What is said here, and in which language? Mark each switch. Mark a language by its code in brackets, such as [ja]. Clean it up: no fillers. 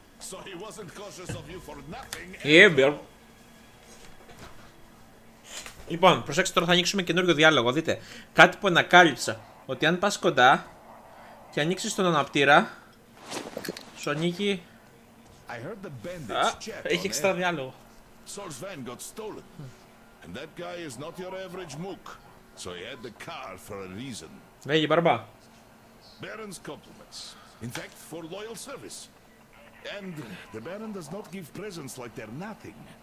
[en] So he wasn't cautious of you for nothing. Yeah, Bill. [el] Λοιπόν, προσέξτε τώρα, θα ανοίξουμε καινούριο διάλογο. Δείτε, κάτι που ανακάλυψα. Ότι αν πας κοντά και ανοίξεις τον αναπτήρα, σου ανοίγει. [en] I heard the bandits chat. [el] Έχει εξτρά διάλογο. [en] Souls van got stolen. And that guy is not your average mook. So he had the car for a reason. [el] Βέγγι, μπαρμπά. [en] Baron's compliments. In fact, for loyal service. And the Baron does not give presents like they're nothing.